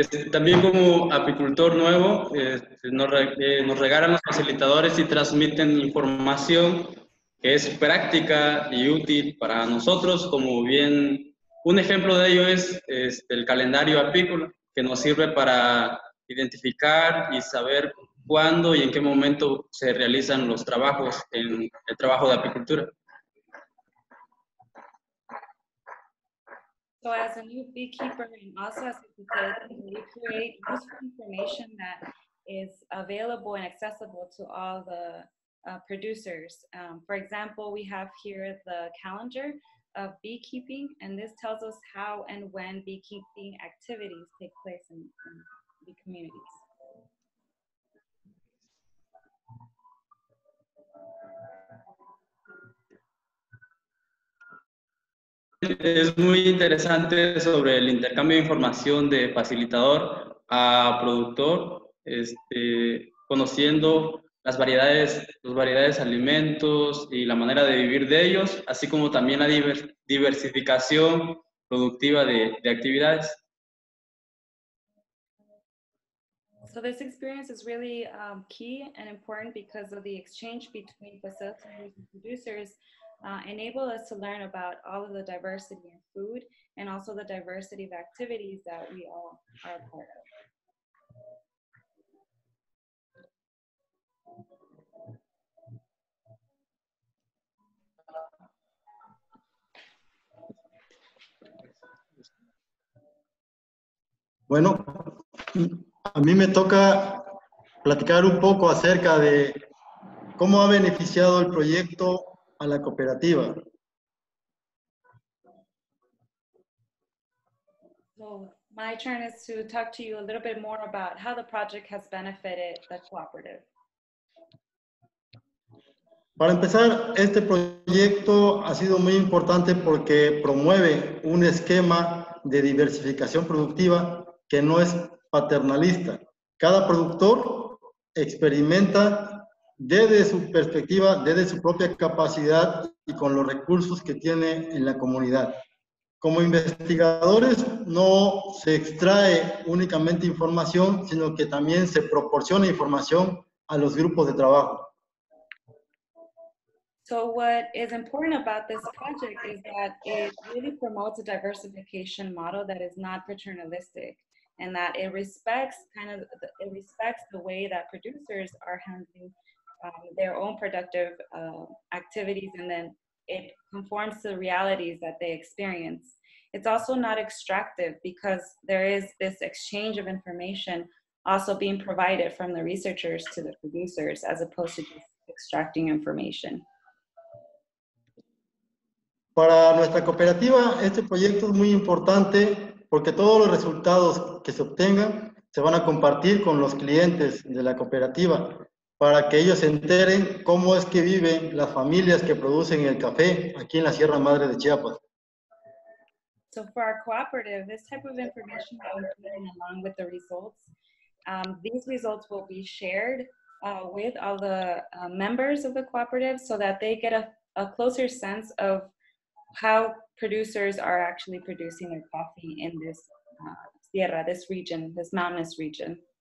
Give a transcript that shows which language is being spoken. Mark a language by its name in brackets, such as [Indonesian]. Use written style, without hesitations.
[Spanish] También como apicultor nuevo, nos regalan los facilitadores y transmiten información que es práctica y útil para nosotros, como bien un ejemplo de ello es el calendario apícola, que nos sirve para identificar y saber cuándo y en qué momento se realizan los trabajos en el trabajo de apicultura. [English] So as a new beekeeper and also as a facilitator, we create useful information that is available and accessible to all the producers. For example, we have here the calendar of beekeeping, and this tells us how and when beekeeping activities take place in the communities. [Spanish] Es muy interesante sobre el intercambio de información de facilitador a productor, conociendo las variedades de alimentos y la manera de vivir de ellos, así como también la diversificación productiva de actividades. [English] So this experience is really key and important because of the exchange between facilitators and producers. Enable us to learn about all of the diversity in food and also the diversity of activities that we all are a part of. [Spanish] Bueno, a mí me toca platicar un poco acerca de cómo ha beneficiado el proyecto a la cooperativa. [English] So my turn is to talk to you a little bit more about how the project has benefited the cooperative. [Spanish] Para empezar, este proyecto ha sido muy importante porque promueve un esquema de diversificación productiva que no es paternalista. Cada productor experimenta desde su perspectiva, desde su propia capacidad y con los recursos que tiene en la comunidad. Como investigadores, no se extrae únicamente información, sino que también se proporciona información a los grupos de trabajo. [English] So what is important about this project is that it really promotes a diversification model that is not paternalistic, and that it respects kind of it respects the way that producers are handling their own productive activities, and then it conforms to the realities that they experience. It's also not extractive because there is this exchange of information also being provided from the researchers to the producers as opposed to just extracting information. [Spanish] Para nuestra cooperativa, este proyecto es muy importante porque todos los resultados que se obtengan se van a compartir con los clientes de la cooperativa, para que ellos se enteren cómo es que viven las familias que producen el café aquí en la Sierra Madre de Chiapas. [English] So for our cooperative, this type of information that we're getting along with the results, these results will be shared with all the members of the cooperative so that they get a closer sense of how producers are actually producing their coffee in this Sierra, this region, this mountainous region.